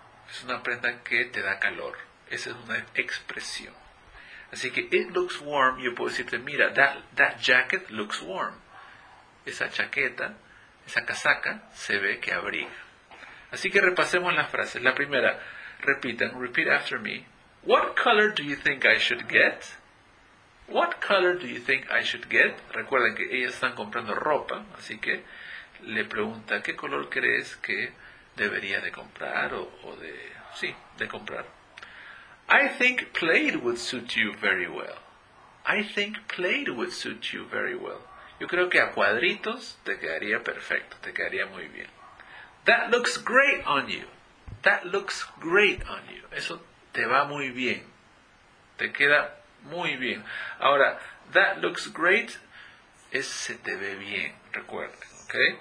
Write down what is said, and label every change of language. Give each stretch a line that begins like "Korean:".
Spanish: Es una prenda que te da calor. Esa es una expresión. Así que,
English: it looks warm,
Spanish: yo puedo decirte, mira,
English: that jacket looks warm.
Spanish: Esa chaqueta, esa casaca, se ve que abriga. Así que repasemos las frases. La primera,
English: repeat after me. What color do you think I should get? What color do you think I should get?
Spanish: Recuerden que ellas están comprando ropa, así que le pregunta, ¿qué color crees que debería de comprar de comprar?
English: I think plaid would suit you very well. I think plaid would suit you very well.
Spanish: Yo creo que a cuadritos te quedaría perfecto, te quedaría muy bien.
English: That looks great on you. That looks great on you.
Spanish: Eso te va muy bien. Te queda muy bien. Ahora,
English: that looks great
Spanish: es se te ve bien, recuerden, ¿ok?